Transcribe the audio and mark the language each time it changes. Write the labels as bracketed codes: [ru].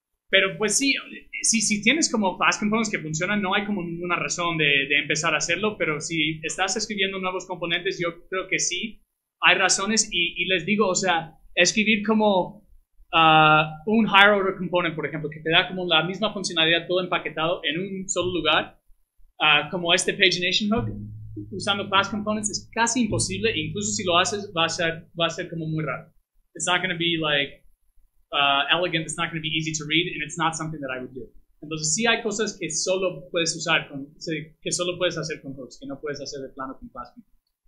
[es] Pero pues si tienes como fast components que funcionan, no hay como ninguna razón de empezar a hacerlo, pero si estás escribiendo nuevos componentes, yo creo que sí, hay razones y les digo, o sea, escribir como un higher order component, por ejemplo, que te da como la misma funcionalidad todo empaquetado en un solo lugar, como este pagination hook, usando fast components es casi imposible, incluso si lo haces va a ser como muy raro. [en] It's not going to be like elegant, it's not going to be easy to read, and it's not something that I would do. [es] Entonces, sí hay cosas que solo puedes usar con, que solo puedes hacer con hooks, que no puedes hacer de plano con fast components.